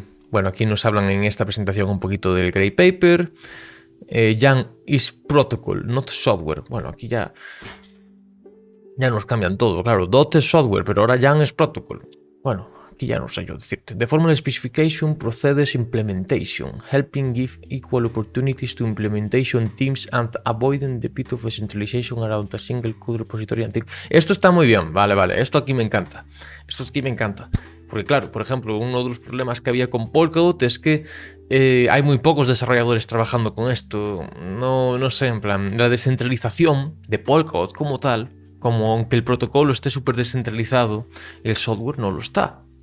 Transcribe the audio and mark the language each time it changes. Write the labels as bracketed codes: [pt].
[es] Bueno, aquí nos hablan en esta presentación un poquito del Grey Paper. [en] YAML is protocol, not software. [es] Bueno, aquí ya nos cambian todo, claro. DOT es software, pero ahora YAML es protocol. Bueno, aquí ya no sé yo decirte. [en] The formal specification precedes implementation, helping give equal opportunities to implementation teams and avoiding the pit of centralization around a single code repository. [es] Esto está muy bien, vale. Esto aquí me encanta. Esto aquí me encanta. Porque claro, por ejemplo, uno de los problemas que había con Polkadot es que hay muy pocos desarrolladores trabajando con esto. No, no sé, en plan, la descentralización de Polkadot como tal, como aunque el protocolo esté súper descentralizado, el software no lo está.